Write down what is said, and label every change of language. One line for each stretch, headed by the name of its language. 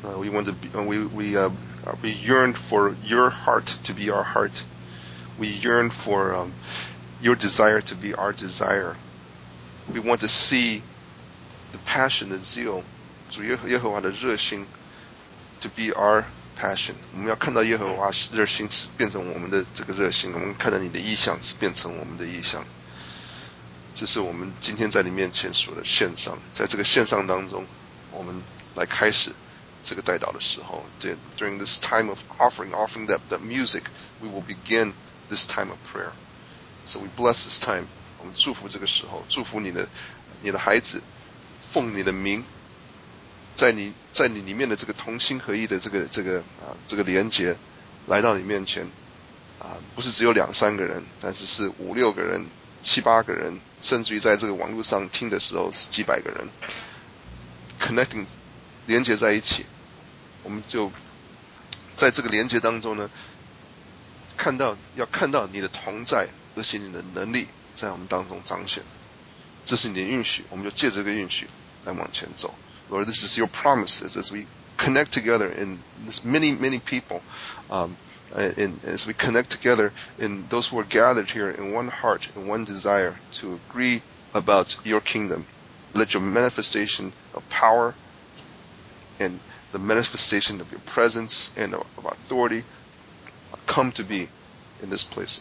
English: We want to be, we yearn for your heart to be our heart. We yearn for your desire to be our desire. We want to see the passion, the zeal,
Chinese: 主耶和华的热心
English: to be our passion.
Chinese: 我们要看到耶和华热心变成我们的这个热心，我们看到你的意象变成我们的意象。这是我们今天在你面前所的献上，在这个献上当中，我们来开始这个代祷的时候 ，
English: during this time of offering that music, we will begin this time of prayer. So we bless this time.
Chinese: 我们祝福这个时候，祝福你的你的孩子，奉你的名，在你在你里面的这个同心合意的这个这个啊这个连结，来到你面前，啊，不是只有两三个人，但是是五六个人、七八个人，甚至于在这个网络上听的时候是几百个人，connecting 连结在一起，我们就在这个连结当中呢，看到要看到你的同在，而且你的能力在我们当中彰显，这是你的应许，我们就借着这个应许来往前走。
English: Lord, this is your promises as we connect together in this many, many people, and as we connect together in those who are gathered here in one heart and one desire to agree about your kingdom. Let your manifestation of power and the manifestation of your presence and of authority come to be in this place.